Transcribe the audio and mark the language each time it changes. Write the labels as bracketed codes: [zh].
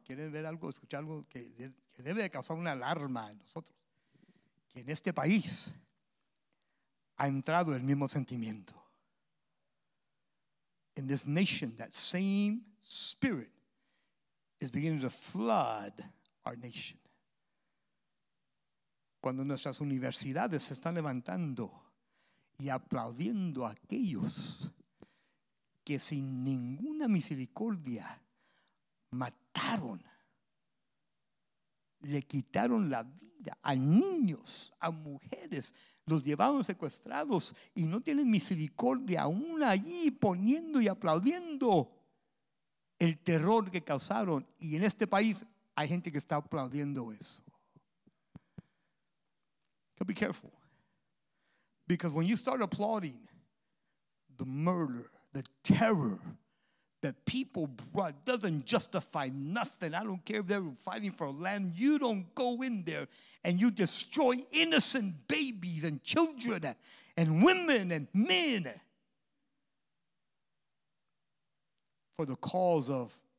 [es] ¿Quieren ver algo, escuchar algo que debe de causar una alarma en nosotros? En este país ha entrado el mismo sentimiento. [en] In this nation, that same spirit is beginning to flood our nation. [es] Cuando nuestras universidades se están levantando y aplaudiendo a aquellos que sin ninguna misericordia mataron, le quitaron la vida a niños, a mujeres, los llevaron secuestrados y no tienen misericordia aún allí poniendo y aplaudiendo el terror que causaron. Y en este país hay gente que está aplaudiendo eso. [en] Be careful. Because when you start applauding the murder, the terror that people brought doesn't justify nothing. I don't care if they're fighting for land. You don't go in there and you destroy innocent babies and children and women and men for the cause of